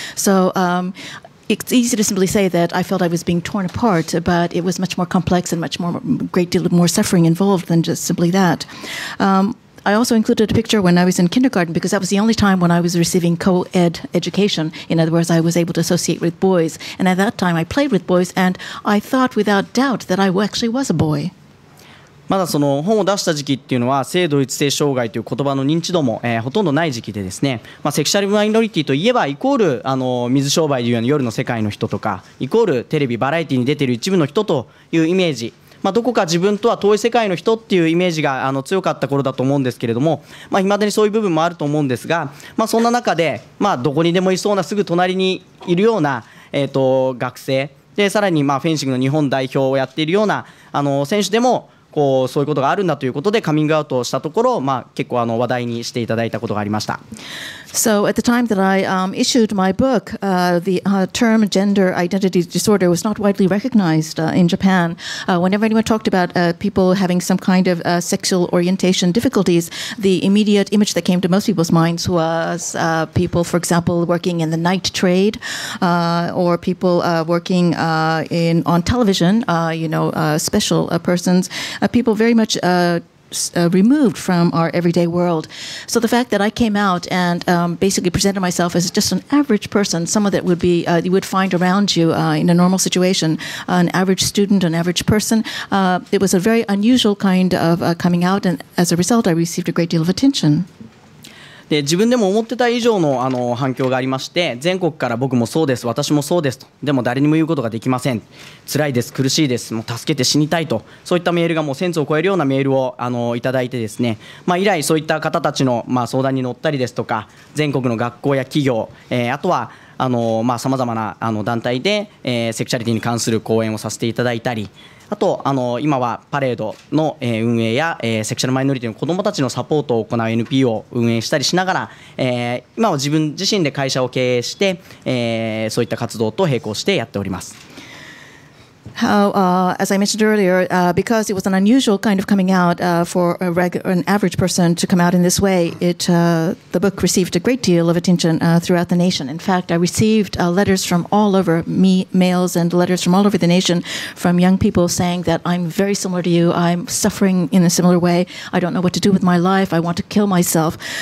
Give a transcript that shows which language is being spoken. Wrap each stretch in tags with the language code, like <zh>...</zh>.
<en>So it's easy to simply say that I felt I was being torn apart, but it was much more complex and much more, great deal more suffering involved than just simply that. I also included a picture when I was in kindergarten, because that was the only time when I was receiving co-ed education. In other words, I was able to associate with boys. And at that time, I played with boys, and I thought without doubt that I actually was a boy.</en> <ja>まだその本を出した時期っていうのは性同一性障害という言葉の認知度も、ほとんどない時期でですね、まあ、セクシャルマイノリティといえばイコールあの水商売というような夜の世界の人とか、イコールテレビバラエティに出ている一部の人というイメージ、まあ、どこか自分とは遠い世界の人っていうイメージがあの強かった頃だと思うんですけれども、まあ、未だにそういう部分もあると思うんですが、まあ、そんな中で、まあ、どこにでもいそうなすぐ隣にいるような、学生で、さらにまあフェンシングの日本代表をやっているようなあの選手でもこうそういうことがあるんだということでカミングアウトしたところ、まあ、結構あの話題にしていただいたことがありました。</ja> <en>So at the time that I issued my book, the term gender identity disorder was not widely recognized in Japan. Whenever anyone talked about people having some kind of sexual orientation difficulties, the immediate image that came to most people's minds was people, for example, working in the night trade, or people working in on television, you know, special persons, people very much removed from our everyday world. So the fact that I came out and basically presented myself as just an average person, someone that would be, you would find around you in a normal situation, an average student, an average person, it was a very unusual kind of coming out, and as a result, I received a great deal of attention.</en> <ja>で自分でも思ってた以上 の, あの反響がありまして、全国から僕もそうです、私もそうですと、でも誰にも言うことができません、辛いです、苦しいです、もう助けて死にたいと、そういったメールがもう1000通を超えるようなメールをあのいただいてですね、まあ、以来そういった方たちの、まあ、相談に乗ったりですとか、全国の学校や企業、あとはあの、まあ、さまざまなあの団体で、セクシャリティに関する講演をさせていただいたり、あとあの今はパレードの運営や、セクシャルマイノリティの子どもたちのサポートを行う NPO を運営したりしながら、今は自分自身で会社を経営して、そういった活動と並行してやっております。</ja> <en>How, as I mentioned earlier, because it was an unusual kind of coming out for a an average person to come out in this way, it, the book received a great deal of attention throughout the nation. In fact, I received letters from all over, mails and letters from all over the nation, from young people saying that I'm very similar to you, I'm suffering in a similar way, I don't know what to do with my life, I want to kill myself.</en>